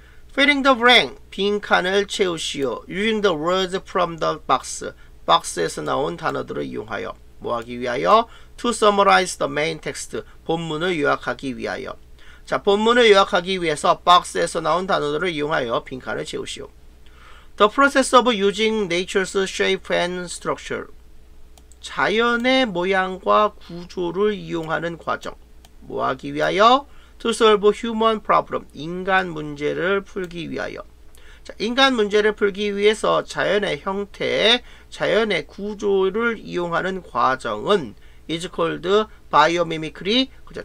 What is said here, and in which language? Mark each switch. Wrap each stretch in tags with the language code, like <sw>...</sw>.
<en>Filling the blank,</en> <ko>빈칸을 채우시오.</ko> <en>Using the words from the box,</en> <ko>박스에서 나온 단어들을 이용하여. 뭐하기 위하여?</ko> <en>To summarize the main text,</en> <ko>본문을 요약하기 위하여. 자, 본문을 요약하기 위해서 박스에서 나온 단어들을 이용하여 빈칸을 채우시오.</ko> <en>The process of using nature's shape and structure.</en> <ko>자연의 모양과 구조를 이용하는 과정. 뭐하기 위하여?</ko> <en>To solve human problem.</en> <ko>인간 문제를 풀기 위하여. 자, 인간 문제를 풀기 위해서 자연의 형태, 자연의 구조를 이용하는 과정은</ko> <en>is called biomimicry,</en> <ko>그죠?</ko>